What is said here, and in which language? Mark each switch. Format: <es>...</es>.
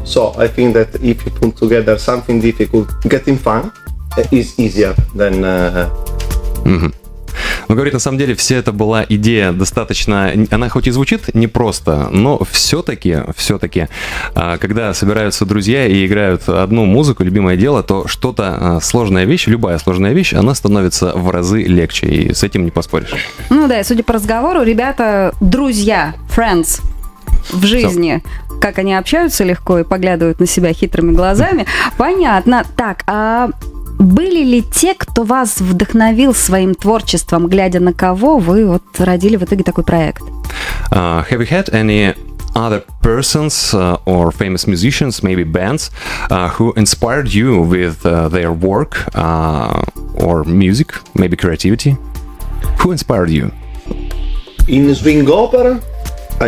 <en>So I think that if you put together something difficult, getting fun is easier than... Mm-hmm.</en> <ru>Но, говорит, на самом деле, все это была идея достаточно... Она хоть и звучит непросто, но все-таки, все-таки, когда собираются друзья и играют одну музыку, любимое дело, то что-то сложная вещь, любая сложная вещь, она становится в разы легче, и с этим не поспоришь. Ну да, и судя по разговору, ребята, друзья, friends в жизни... Как они общаются легко и поглядывают на себя хитрыми глазами. Понятно. Так, а были ли те, кто вас вдохновил своим творчеством, глядя на кого вы вот родили в итоге такой проект?</ru> <en>Have you had any other persons or famous musicians, maybe bands, who inspired you with their work or music, maybe creativity? Who inspired you? In swing opera, I</en>